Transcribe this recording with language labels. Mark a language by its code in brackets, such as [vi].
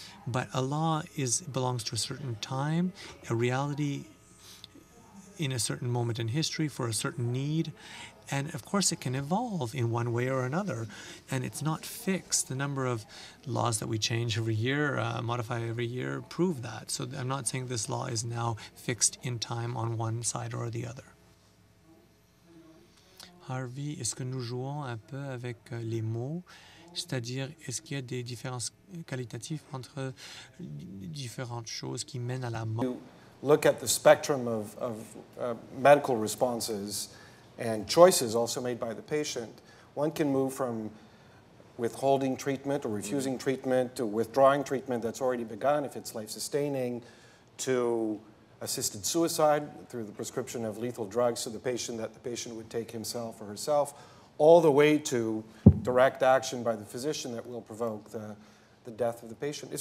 [en] But a law belongs to a certain time, a reality in a certain moment in history for a certain need, And of course, it can evolve in one way or another. And it's not fixed. The number of laws that we change every year, modify every year, prove that. So I'm not saying this law is now fixed in time on one side or the other. [fr] Harvey, est-ce que nous jouons un peu avec les mots? C'est-à-dire, est-ce qu'il y a des différences qualitatives entre différentes choses qui mènent à la mort? [en] You look at the spectrum of medical responses and choices also made by the patient. One can move from withholding treatment or refusing treatment to withdrawing treatment that's already begun if it's life-sustaining to assisted suicide through the prescription of lethal drugs to the patient that the patient would take himself or herself, all the way to direct action by the physician that will provoke the death of the patient.